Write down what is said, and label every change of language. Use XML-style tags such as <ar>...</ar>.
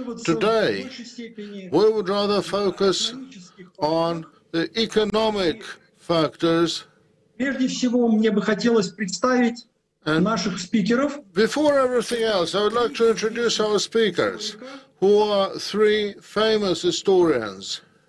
<en>Today, we would rather focus on the economic factors.</en> <ru>Прежде всего, мне бы хотелось представить.</ru> <en>And before everything else, I would like to introduce our speakers, who are three famous historians.</en>